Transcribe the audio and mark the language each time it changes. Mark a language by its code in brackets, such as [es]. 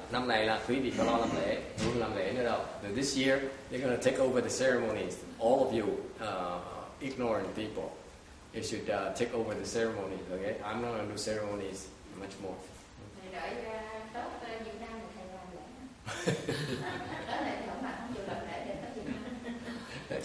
[vi] Năm này là quý vị có lo làm lễ, không làm lễ nữa đâu. [en] So this year, you're going to take over the ceremonies. All of you, ignorant people, you should take over the ceremonies, okay? I'm not going to do ceremonies much more. [vi] Thầy đợi tốt Việt Nam thầy làm lễ. Tới này thì không làm lễ, để tới Việt Nam.